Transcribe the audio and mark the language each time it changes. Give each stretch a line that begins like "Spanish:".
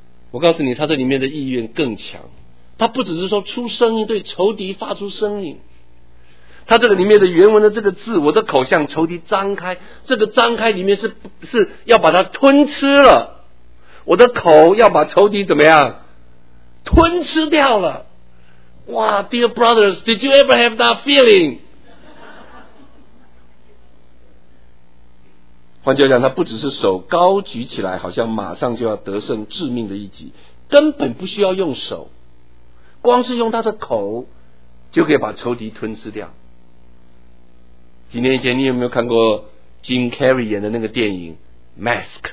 Chinese: 我告诉你，他这里面的意愿更强，他不只是说出声音，对仇敌发出声音，他这个里面的原文的这个字，我的口向仇敌张开，这个张开里面是要把它吞吃了，我的口要把仇敌怎么样吞吃掉了。
English: 哇 Dear brothers, did you ever have that feeling?
Chinese: 换句话讲，他不只是手高举起来好像马上就要得胜致命的一击，根本不需要用手，光是用他的口就可以把仇敌吞噬掉。几年以前，你有没有看过 Jim Carrey 演的那个电影 Mask?